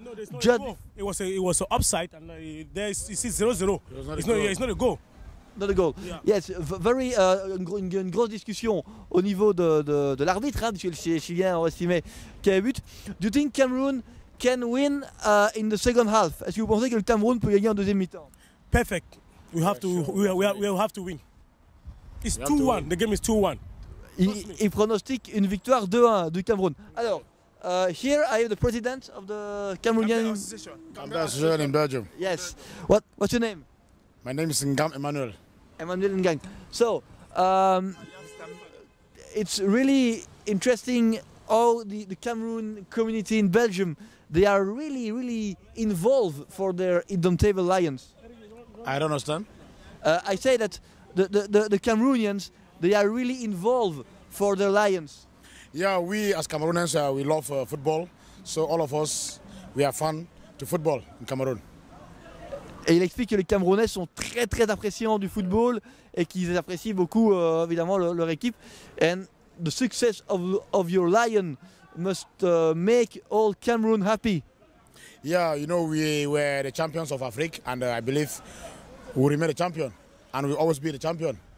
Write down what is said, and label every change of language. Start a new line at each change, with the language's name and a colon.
English: No, there's not a goal. It was an upside, and it's 0-0. It's not a goal. not a goal. Yeah. Yes, very
French: une grosse discussion au niveau de l'arbitre, hein, puisque les Chiliens ont estimé qu'il y avait but.
English: Do you think Cameroon can win in the second half?
French: Est-ce que vous pensez que le Cameroun peut gagner en deuxième mi-temps?
English: Perfect. We have we have to win. It's 2-1. The game is 2-1.
French: Il pronostique une victoire 2-1 du Cameroun.
English: Alors, here I have the president of the Cameroonian ambassador in Belgium. Yes. What's your name? My name is Ngam Emmanuel. Emmanuel Ngam. So, it's really interesting how the Cameroon community in Belgium, they are really, really involved for their Indomitable Lions. I don't understand. I say that the Cameroonians, they are really involved for the Lions. Yeah, we as Cameroonians, we love football. So all of us, we are fan to football in Cameroon.
French: Et il explique que les Camerounais sont très très appréciants du football et qu'ils apprécient beaucoup évidemment leur équipe.
English: And the success of your Lion must make all Cameroon happy. Yeah, you know, we were the champions of Africa and I believe we remain the champion and we always be the champion.